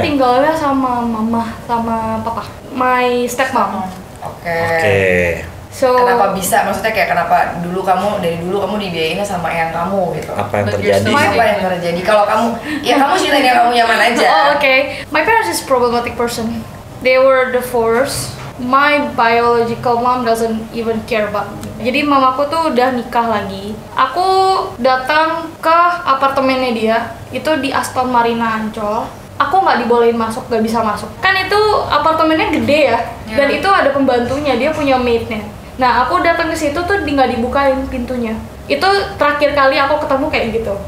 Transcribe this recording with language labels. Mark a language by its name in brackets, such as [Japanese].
[Indonesian] Aku tinggalnya sama mama, sama papa. [English] My stepmom. [Indonesian] Oke. [English] So, [Indonesian] kenapa bisa? Maksudnya kayak kenapa dulu kamu, dari dulu kamu dibiayainnya sama eyang kamu gitu? Apa yang terjadi? Apa yang terjadi? Kalau kamu, ya kamu ceritain yang kamu nyaman aja. [English] Oh, oke. My parents is problematic person. They were divorced. My biological mom doesn't even care about me. [Indonesian] Jadi mamaku tuh udah nikah lagi. Aku datang ke apartemennya dia, itu di Aston Marina Ancol. Aku gak dibolehin masuk, gak bisa masuk. Kan itu apartemennya gede ya, dan itu ada pembantunya, dia punya maidnya. Nah, aku datang ke situ tuh gak dibukain pintunya. Itu terakhir kali aku ketemu kayak gitu.